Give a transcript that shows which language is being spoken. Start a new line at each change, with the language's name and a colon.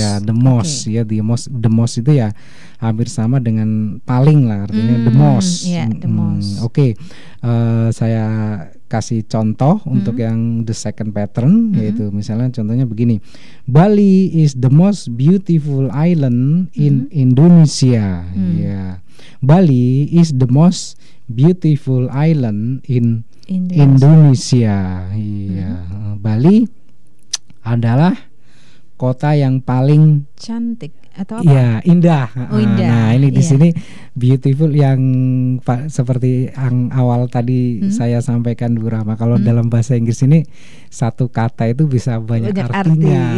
Indonesian: The most. Okay. Ya, the most itu ya hampir sama dengan paling lah artinya. The most.
English: Yeah, the most.
Indonesian: Oke. Saya kasih contoh untuk yang the second pattern, yaitu misalnya contohnya begini,
English: Bali is the most beautiful island in Indonesia. Yeah. Bali is the most beautiful island in Indonesia.
Indonesian: Iya. Bali adalah kota yang paling cantik atau apa? Iya, indah. Oh, indah. Nah, ini di sini beautiful yang seperti yang awal tadi saya sampaikan Bu Rahma. Kalau dalam bahasa Inggris ini satu kata itu bisa banyak, artinya.